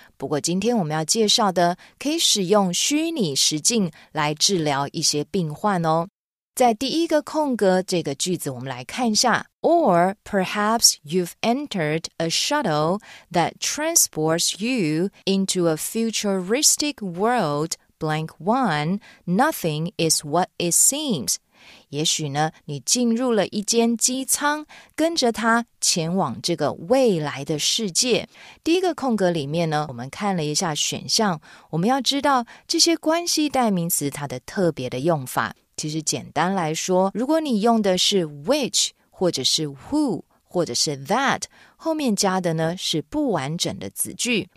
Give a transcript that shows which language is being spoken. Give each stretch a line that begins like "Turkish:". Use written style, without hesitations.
Chinese: 不过今天我们要介绍的可以使用虚拟实境来治疗一些病患哦。在第一个空格这个句子我们来看一下。
English: Or perhaps you've entered a shuttle that transports you into a futuristic world,Blank one, nothing is what it seems.
Chinese: 也许呢，你进入了一间机舱，跟着它前往这个未来的世界。第一个空格里面呢，我们看了一下选项，我们要知道这些关系代名词它的特别的用法。其实简单来说，如果你用的是 which, 或者是 who,或者是 that, 后面加的呢是不完整的子句。